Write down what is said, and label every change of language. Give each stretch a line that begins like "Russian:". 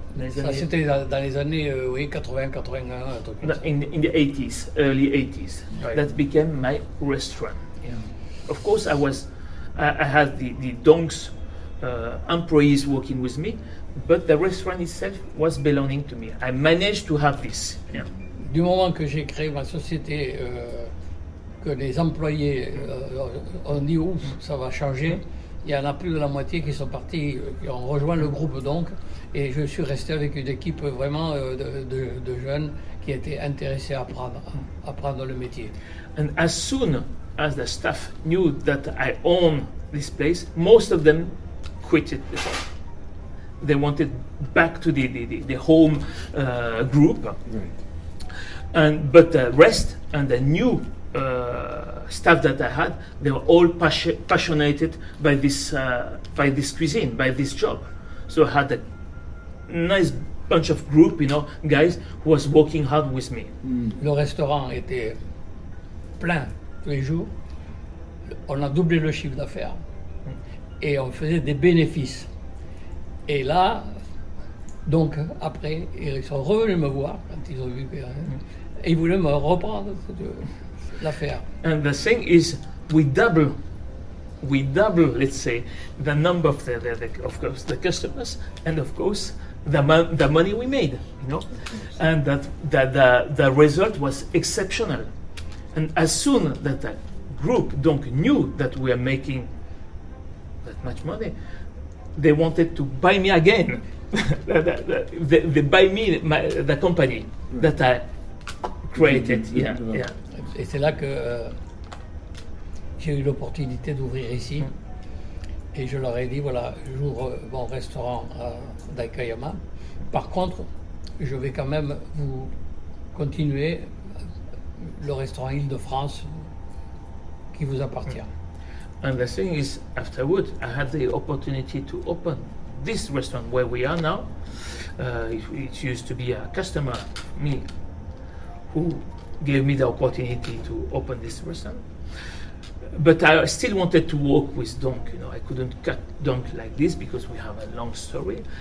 French: Ça c'était dans les années 80, 81.
English: In the 80s, early 80s, right. That became my restaurant. Yeah. Of course, I had the Donk's employees working with me. But the restaurant itself was belonging to me. I managed to have this. Yeah.
French: Du moment que j'ai créé ma société, que les employés ont dit ouf, ça va changer, il y en a plus de la moitié qui sont partis, qui ont rejoint le groupe Donk, et je suis resté avec une équipe vraiment de jeunes qui étaient intéressés à apprendre le métier.
English: And as soon as the staff knew that I own this place, most of them quit it. They wanted back to the home group, right. But the rest and the new staff that I had, they were all passionate by this cuisine, by this job. So I had a nice bunch of group, you know, guys who was working hard with me.
French: Mm. Le restaurant était plein tous les jours. On a doublé le chiffre d'affaires et on faisait des bénéfices. Et là, donc après, ils sont revenus me voir quand ils ont vu que, et ils voulaient me reprendre l'affaire.
English: And the thing is, we double, let's say, the number of the of course the customers, and of course the money we made, you know, and that the result was exceptional. And as soon that the group Donk knew that we are making that much money, they wanted to buy me again. they buy me the company that I created. Yeah, yeah.
French: Et c'est là que j'ai eu l'opportunité d'ouvrir ici. Et je leur ai dit, voilà, j'ouvre mon restaurant d'Aikayama. Par contre, je vais quand même vous continuer le restaurant Île-de-France qui vous appartient. Mm.
English: And the thing is, afterward, I had the opportunity to open this restaurant where we are now. It used to be a customer, me, who gave me the opportunity to open this restaurant. But I still wanted to work with Donk. You know, I couldn't cut Donk like this because we have a long story.